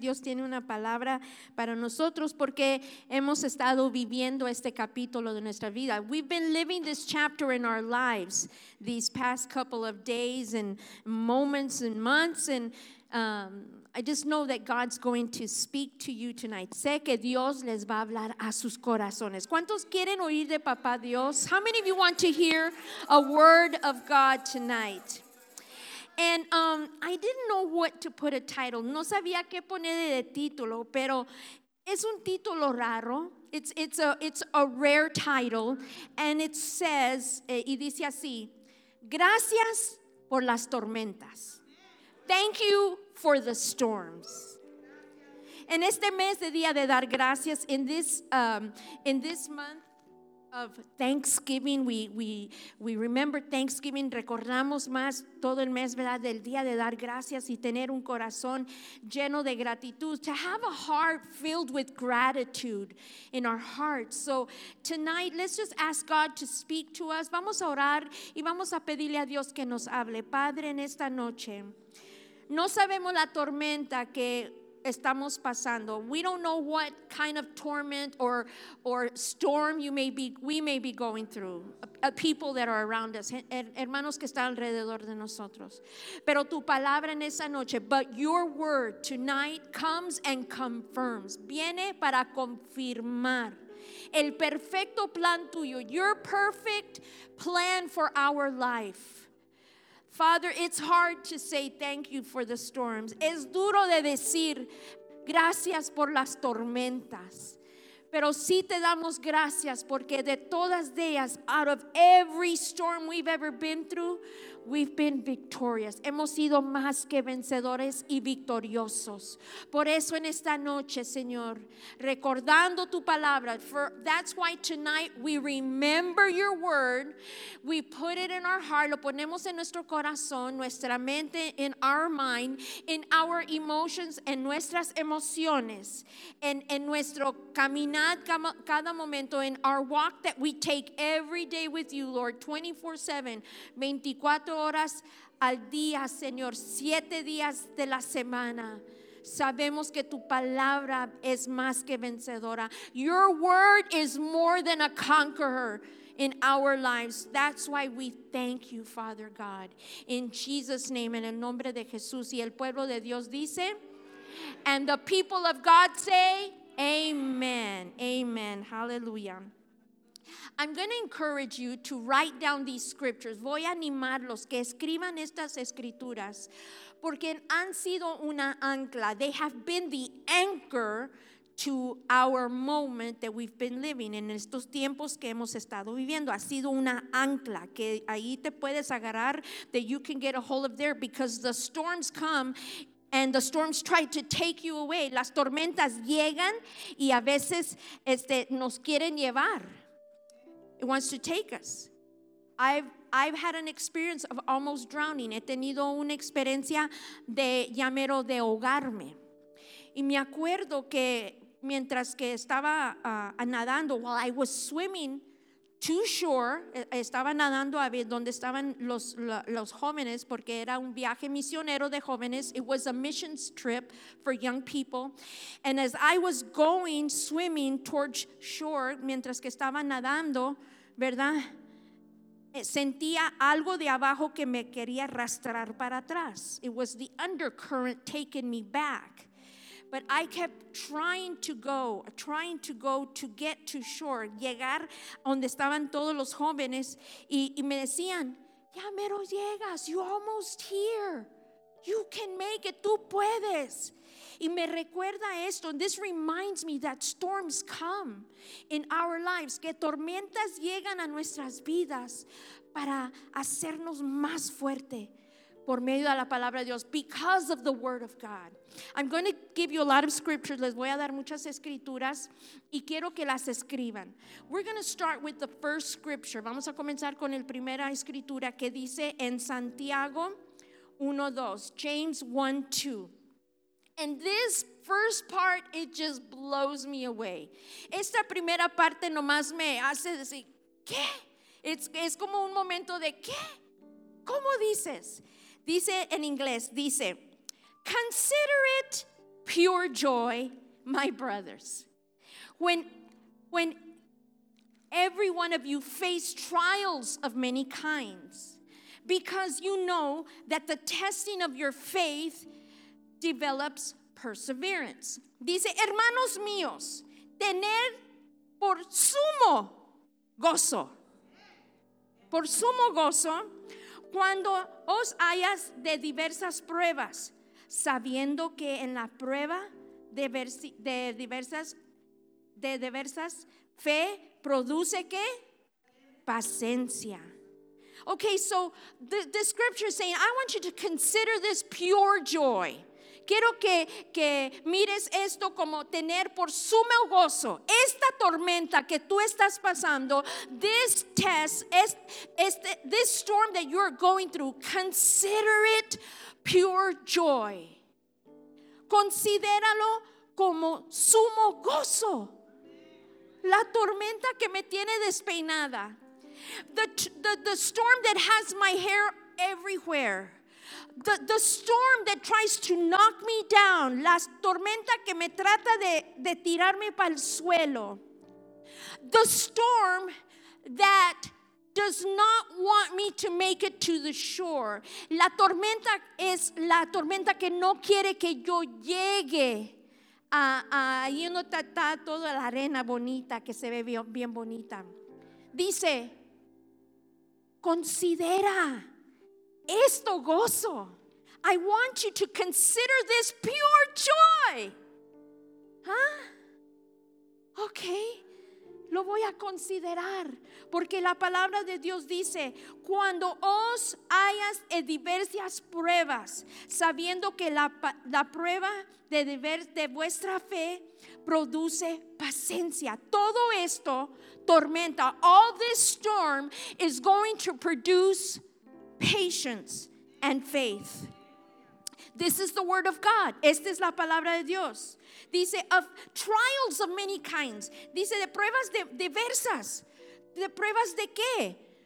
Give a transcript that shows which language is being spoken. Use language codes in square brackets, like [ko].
[es] Dios tiene una palabra para nosotros porque hemos estado viviendo este capítulo de nuestra vida. [en] We've been living this chapter in our lives these past couple of days and moments and months. And I just know that God's going to speak to you tonight. [es] Sé que Dios les va a hablar a sus corazones. ¿Cuántos quieren oír de Papá Dios? [en] How many of you want to hear a word of God tonight? And I didn't know what to put a title. [es] No sabía qué poner de título, pero es un título raro. [en] It's a rare title, and it says, [es] y dice así, gracias por las tormentas. [en] Thank you for the storms. [es] En este mes de Día de Dar Gracias, [en] in this month of Thanksgiving, we remember Thanksgiving. [es] Recordamos más todo el mes, ¿verdad?, del día de dar gracias y tener un corazón lleno de gratitud. [en] To have a heart filled with gratitude in our hearts. So tonight, let's just ask God to speak to us. [es] Vamos a orar y vamos a pedirle a Dios que nos hable. Padre, en esta noche, no sabemos la tormenta que estamos pasando. [en] We don't know what kind of torment or storm we may be going through. People that are around us, [es] hermanos que están alrededor de nosotros. Pero tu palabra en esa noche, [en] but your word tonight comes and confirms. [es] Viene para confirmar el perfecto plan tuyo, [en] your perfect plan for our life. Father, it's hard to say thank you for the storms. [es] Es duro de decir gracias por las tormentas. Pero sí te damos gracias porque de todas ellas, [en] out of every storm we've ever been through, we've been victorious. [es] Hemos sido más que vencedores y victoriosos. Por eso en esta noche, Señor, recordando tu palabra, [en] that's why tonight we remember your word, we put it in our heart, [es] lo ponemos en nuestro corazón, nuestra mente, [en] in our mind, in our emotions, [es] en nuestras emociones, en nuestro caminar cada momento, [en] in our walk that we take every day with you, Lord, 24/7, [es] 24 horas al día, Señor, 7 días de la semana. Sabemos que tu palabra es más que vencedora. [en] Your word is more than a conqueror in our lives. That's why we thank you, Father God. In Jesus' name, [es] en el nombre de Jesús, y el pueblo de Dios dice, [en] and the people of God say, amen. Amen. Hallelujah. I'm going to encourage you to write down these scriptures. [es] Voy a animarlos que escriban estas escrituras porque han sido una ancla. [en] They have been the anchor to our moment that we've been living. [es] En estos tiempos que hemos estado viviendo, ha sido una ancla que ahí te puedes agarrar, [en] that you can get a hold of there, because the storms come and the storms try to take you away. [es] Las tormentas llegan y a veces nos quieren llevar. [en] It wants to take us. I've had an experience of almost drowning. [es] He tenido una experiencia de llamero de ahogarme. Y me acuerdo que mientras que estaba nadando, [en] while I was swimming to shore, [es] estaba nadando a ver donde estaban los jóvenes, porque era un viaje misionero de jóvenes. [en] It was a missions trip for young people. And as I was going swimming towards shore, [es] mientras que estaba nadando, ¿verdad?, sentía algo de abajo que me quería arrastrar para atrás. [en] It was the undercurrent taking me back. But I kept trying to go to get to shore, [es] llegar donde estaban todos los jóvenes, y me decían, ya mero llegas, [en] you're almost here. You can make it, [es] tú puedes. Y me recuerda esto, [en] and this reminds me that storms come in our lives, [es] que tormentas llegan a nuestras vidas para hacernos más fuerte, por medio de la palabra de Dios, [en] because of the word of God. I'm going to give you a lot of scriptures. [es] Les voy a dar muchas escrituras y quiero que las escriban. [en] We're going to start with the first scripture. [es] Vamos a comenzar con el primera escritura que dice en Santiago 1:2, James 1:2. [en] And this first part, it just blows me away. [es] Esta primera parte nomás me hace decir, ¿qué? Es como un momento de, ¿qué? ¿Cómo dices? Dice en inglés, dice, [en] consider it pure joy, my brothers. When every one of you face trials of many kinds, because you know that the testing of your faith develops perseverance. [es] Dice, hermanos míos, tener por sumo gozo, cuando os hallas de diversas pruebas, sabiendo que en la prueba de diversas fe produce qué? Paciencia. [en] Okay, so the scripture is saying, I want you to consider this pure joy. [es] Quiero que mires esto como tener por sumo gozo. Esta tormenta que tú estás pasando, [en] this test, this storm that you're going through, consider it pure joy. [es] Considéralo como sumo gozo. La tormenta que me tiene despeinada. [en] The storm that has my hair everywhere. The storm that tries to knock me down. [es] La tormenta que me trata de tirarme para el suelo. [en] The storm that does not want me to make it to the shore. [es] La tormenta es la tormenta que no quiere que yo llegue a ahí donde está toda la arena bonita que se ve bien, bien bonita. Dice, considera esto gozo. [en] I want you to consider this pure joy. [es] Huh? Okay. Lo voy a considerar. Porque la palabra de Dios dice, cuando os hayas en diversas pruebas, sabiendo que la prueba de vuestra fe produce paciencia. Todo esto, tormenta, [en] all this storm is going to produce patience and faith. This is the word of God. [es] Esta es la palabra de Dios. Dice, [en] of trials of many kinds. [es] Dice, de pruebas diversas. ¿De pruebas de qué?